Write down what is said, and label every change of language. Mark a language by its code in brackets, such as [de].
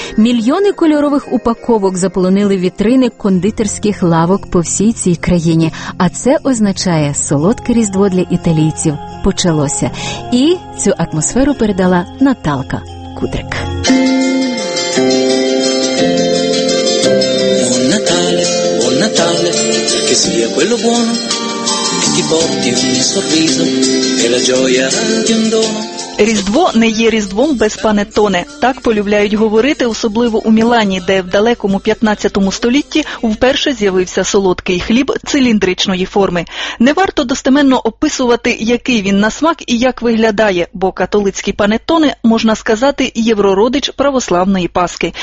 [uk] Мільйони кольорових упаковок заполонили вітрини кондитерських лавок по всій цій країні. А це означає, солодке різдво для італійців почалося. І цю атмосферу передала Наталка Кудрик. [it] Natale, che sia quello buono, che ti porti un sorriso e la gioia di un dono. [uk] Різдво не є різдвом без панеттоне. Так полюбляють говорити, особливо у Мілані, де в далекому 15 столітті вперше з'явився солодкий хліб циліндричної форми. Не варто достеменно описувати, який він на смак і як виглядає, бо католицькі панеттоне, можна сказати, єврородич православної Пасхи.